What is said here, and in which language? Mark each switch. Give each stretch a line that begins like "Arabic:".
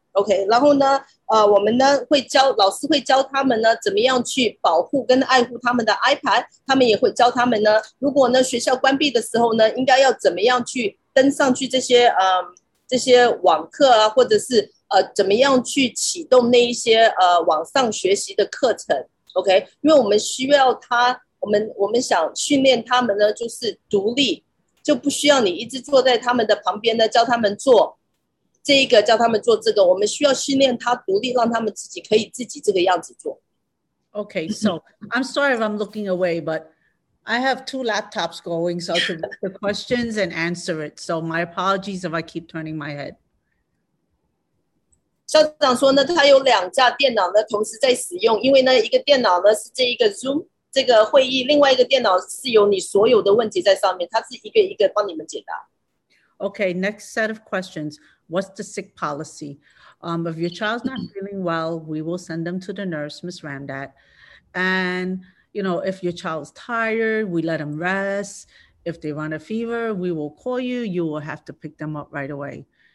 Chinese: OK， 然后呢我们呢会教老师会教他们呢怎么样去保护跟爱护他们的 iPad， 他们也会教他们呢如果呢学校关闭的时候呢应该要怎么样去登上去这些这些网课啊，或者是怎么样去启动那一些网上学习的课程。 OK， 因为我们需要他我们想训练他们呢就是独立，就不需要你一直坐在他们的旁边呢教他们做这个教他们做这个，我们需要训练他独立，让他们自己可以自己这个样子做。
English: OK， so I'm sorry if I'm looking away, but I have two laptops going so I can look the questions and answer it, so my apologies if I keep turning my head.
Chinese: 校长说呢他有两架电脑呢同时在使用，因为呢一个电脑呢是这一个 Zoom 这个会议，另外一个电脑是有你所有的问题在上面，他是一个一个帮你们解答。
English: OK, next set of questions. What's the sick policy? If your child's not feeling well, we will send them to the nurse, Ms. Randat. And, you know, if your child's tired, we let them rest. If they run a fever, we will call you. You will have to pick them up right away.